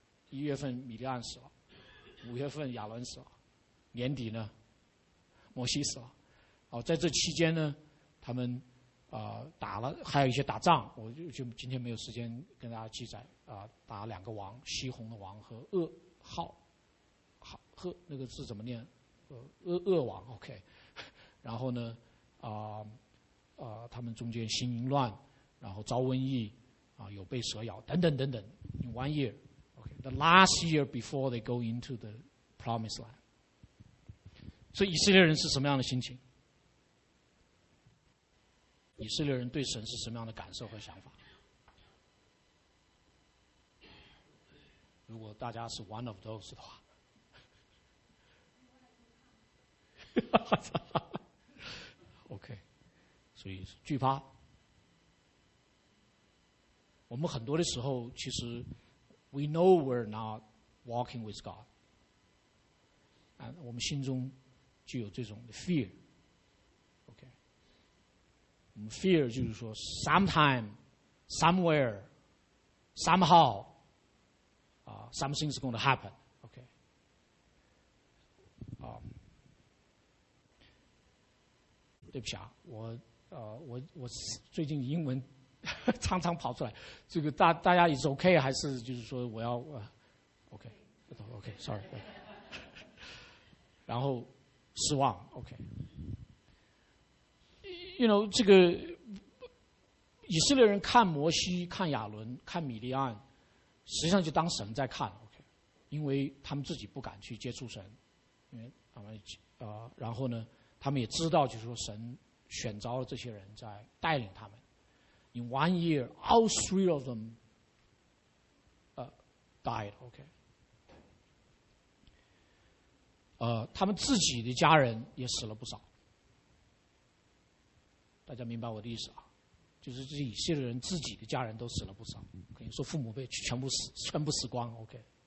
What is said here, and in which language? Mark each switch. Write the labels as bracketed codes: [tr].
[zh] 一月份米利安死了，五月份亚伦死了，年底呢摩西死了，在这期间呢他们打了，还有一些打仗，我就今天没有时间跟大家记载打两个王，西宏的王和噩浩，赫那个字怎么念？噩王 ，OK。然后呢，他们中间心淫乱，然后遭瘟疫，有被蛇咬等等等等。 [en] In one year, OK, the last year before they go into the promised land。 [zh] 所以以色列人是什么样的心情？以色列人对神是什么样的感受和想法？如果大家是 [en] one of those [zh] 的话，OK, 所以惧怕。我们很多的时候，其实 [en] we know we're not walking with God, [zh] 我们心中就有这种 fear。 [en] Fear [zh] 就是说 [en] sometime, somewhere, somehow, something's going to happen. Okay. [zh] 对不起啊，我最近英文常常跑出来，这个大家 [en] is okay [zh] 还是就是说我要okay, sorry. 然后失望 okay. [en] You know, [zh] 这个以色列人看摩西、看亚伦、看米利安，实际上就当神在看 ，OK? 因为他们自己不敢去接触神，因为他们然后呢，他们也知道，就是说神选召了这些人在带领他们。 [en] In one year, all three of them, died. OK? [zh] 他们自己的家人也死了不少。大家明白我的意思啊，就是这些以色列人自己的家人都死了不少，可以说父母被全部死光 ，OK。